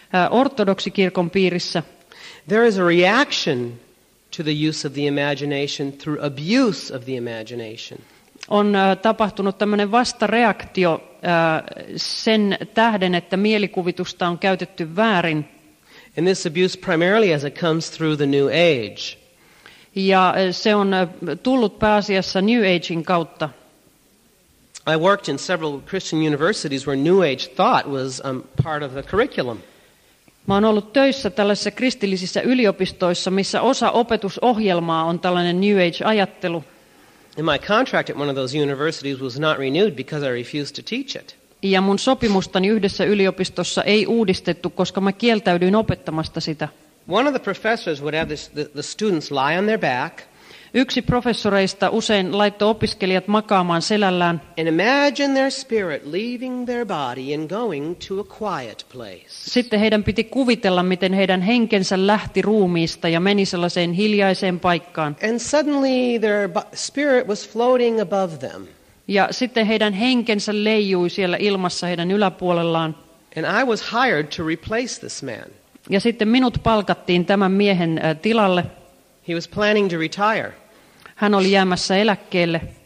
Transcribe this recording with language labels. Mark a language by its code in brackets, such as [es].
[fi] ortodoksikirkon piirissä, [en] there is a reaction to the use of the imagination through abuse of the imagination. [fi] On tapahtunut tämmöinen vastareaktio sen tähden, että mielikuvitusta on käytetty väärin. [en] And this abuse primarily as it comes through the New Age. [fi] Ja se on tullut pääasiassa New Agein kautta. [en] I worked in several Christian universities where New Age thought was part of the curriculum. [fi] Mä oon ollut töissä tällaisissa kristillisissä yliopistoissa, missä osa opetusohjelmaa on tällainen New Age-ajattelu. [en] And my contract at one of those universities was not renewed because I refused to teach it. [fi] Ja mun sopimustani yhdessä yliopistossa ei uudistettu, koska mä kieltäydyin opettamasta sitä. [en] One of the professors would have the students lie on their back. [fi] Yksi professoreista usein laittoi opiskelijat makaamaan selällään. [en] And imagine their spirit leaving their body and going to a quiet place. [fi] Sitten heidän piti kuvitella, miten heidän henkensä lähti ruumiista ja meni sellaiseen hiljaiseen paikkaan. [en] And suddenly their spirit was floating above them. [fi] Ja sitten heidän henkensä leijui siellä ilmassa heidän yläpuolellaan. [en] And I was hired to replace this man. [fi] Ja sitten minut palkattiin tämän miehen tilalle. [en] He was planning to retire. [fi] Hän oli jäämässä eläkkeelle.